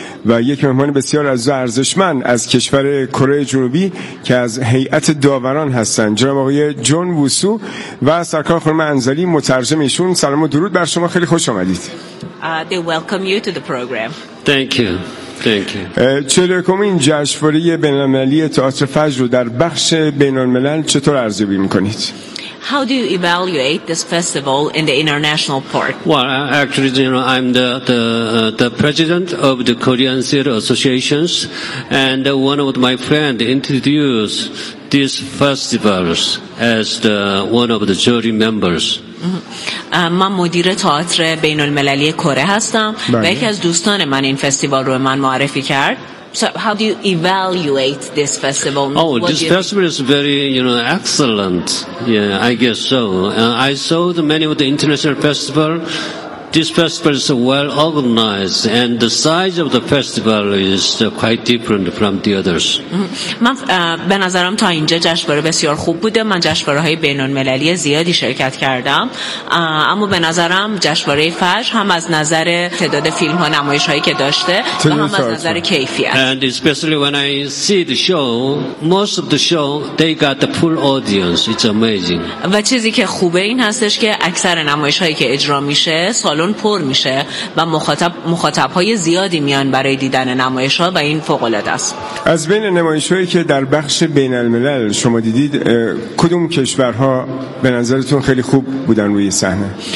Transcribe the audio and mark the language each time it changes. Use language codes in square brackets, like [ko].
[fa] و یک مهمان بسیار از ارزشمند از کشور کره جنوبی که از هیئت داوران هستند جناب آقای جون ووسو و سرکار خانم انزلی مترجم ایشون سلام و درود بر شما خیلی خوش آمدید [en] They welcome you to the program Thank you [fa] چهل‌ومین جشنواره بین‌المللی تئاتر فجر رو در بخش بین‌الملل چطور ارزیابی می‌کنید؟ [en] How do you evaluate this festival in the international part? Well, actually, you know, I'm the president of the Korean Theatre Associations, and one of my friends introduced this festival as the one of the jury members. [fa] من مدیر تئاتر بین المللی کره هستم و یکی از دوستان من این فستیوال رو من معرفی کرد. [en] So how do you evaluate this festival? Oh, what this festival is very, you know, excellent. Yeah, I guess so. I saw the many of the international festival. This festival is well organized and the size of the festival is quite different from the others. [fa] من به نظرم تا اینجا جشنواره بسیار خوب بوده. من جشنواره‌های بین‌المللی زیادی شرکت کردم. اما به نظرم جشنواره فجر هم از نظر تعداد فیلم‌ها نمایش‌هایی که داشته و هم از نظر کیفیت. [en] And especially when I see the show, most of the show they got the full audience. It's amazing. [fa] و چیزی که خوبه این هستش که اکثر نمایش‌هایی که اجرا میشه سالن پر میشه و مخاطب‌های زیادی میان برای دیدن نمایش‌ها و این فوق‌العاده است. از بین نمایش‌هایی که در بخش بین‌الملل شما دیدید کدوم کشورها به نظرتون خیلی خوب بودن روی صحنه؟